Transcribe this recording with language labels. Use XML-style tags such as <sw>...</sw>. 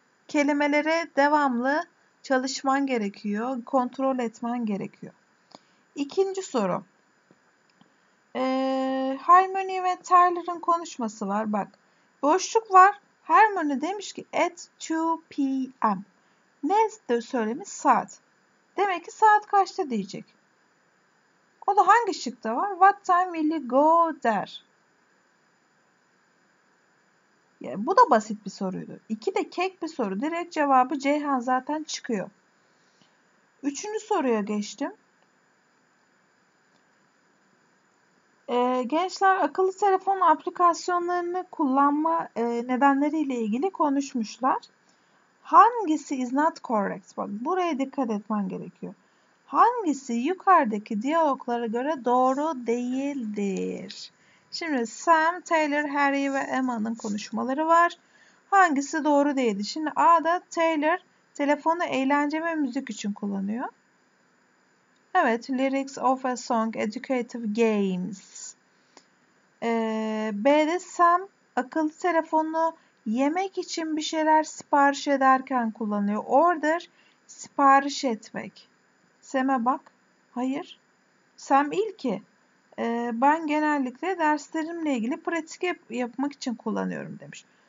<tr>Kelimelere devamlı çalışman gerekiyor, kontrol etmen gerekiyor. İkinci soru. Hermione ve Tyler'ın konuşması var. Bak, boşluk var. Hermione demiş ki</tr> <en>at 2 p.m.</en> <tr>Ne de söylemiş? Saat. Demek ki saat kaçta diyecek. O da hangi şıkta var?</tr> <en>What time will you go der.</en> <tr>Yani bu da basit bir soruydu. İki de kek bir soru. Direkt cevabı Ceyhan zaten çıkıyor. Üçüncü soruya geçtim. Gençler akıllı telefon aplikasyonlarını kullanma nedenleriyle ilgili konuşmuşlar. Hangisi</tr> <en>is not correct?</en> <tr>Bak buraya dikkat etmen gerekiyor. Hangisi yukarıdaki diyaloglara göre doğru değildir? Şimdi Sam, Taylor, Harry ve Emma'nın konuşmaları var. Hangisi doğru değildi? Şimdi A'da Taylor telefonu eğlence ve müzik için kullanıyor.</tr> <en>Evet, Lyrics of a Song, Educative Games.</en> <tr>B'de Sam akıllı telefonunu yemek için bir şeyler sipariş ederken kullanıyor. Order, sipariş etmek. Sam'e bak. Hayır. Sam ilki. Ben genellikle derslerimle ilgili pratik yapmak için kullanıyorum demiş.</tr>